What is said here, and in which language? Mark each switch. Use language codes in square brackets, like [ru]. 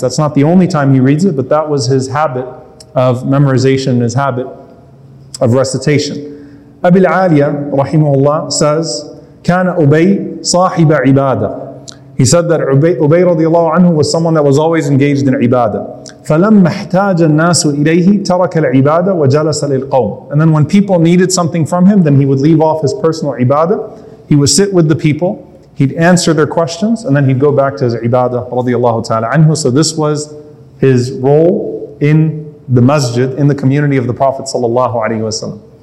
[en] That's not the only time he reads it, but that was his habit of memorization, his habit of recitation. Abi al-Aliya, rahimahullah, says, [ar] كان أبي صاحب عبادة. [en] He said that Ubayy radiallahu anhu was someone that was always engaged in ibadah. [ar] فلما احتاج الناس إليه ترك العبادة وجلس للقوم. [en] And then when people needed something from him, then he would leave off his personal ibadah. He would sit with the people, he'd answer their questions, and then he'd go back to his ibadah radiallahu ta'ala anhu. So this was his role in the masjid, in the community of the Prophet sallallahu alayhi wa sallam.